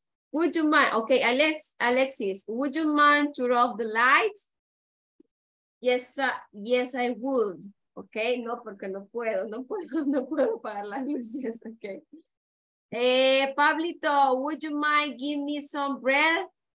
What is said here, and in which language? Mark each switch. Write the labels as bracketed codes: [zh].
[en] Would you mind, ok, Alexis, would you mind turn off the light? Yes, I would. [es] Ok, no, porque no puedo apagar las luces, ok. [en] Pablito, would you mind give me some bread?